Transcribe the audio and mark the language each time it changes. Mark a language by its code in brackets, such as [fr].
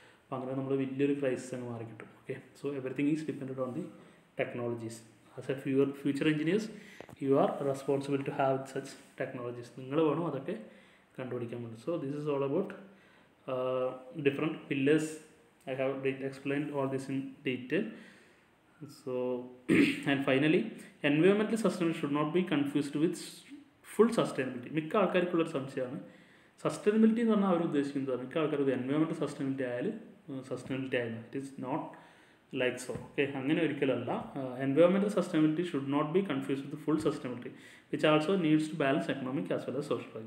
[ml] അപ്പോൾ അങ്ങനെ നമ്മൾ വലിയൊരു ക്രൈസിസ് അങ്ങ് മാറിക്കിട്ടും. [en] Okay, so everything is depend on the technologies. As a future engineers you are responsible to have such technologies. [ml] നിങ്ങൾ വേണം അതൊക്കെ കണ്ടുപിടിക്കാൻ വേണ്ടി. [en] So this is all about different pillars. I have explained all this in detail. So, and finally, environmental sustainability should not be confused with full sustainability. [ml] മിക്ക ആൾക്കാർക്കുള്ള ഒരു സംശയമാണ്, sustainability എന്ന് പറഞ്ഞാൽ അവർ ഉദ്ദേശിക്കുന്നതാണ്, മിക്ക ആൾക്കാർ ഇത് എൻവയോൺമെൻറ്റ് സസ്റ്റൈനബിലിറ്റി ആയാലും സസ്റ്റൈനബിലിറ്റി ആയിരുന്നു. [en] It is not like so. Okay, [ml] അങ്ങനെ ഒരിക്കലല്ല. [en] Environment sustainability should not be confused with full sustainability which also needs to balance economic as well as social.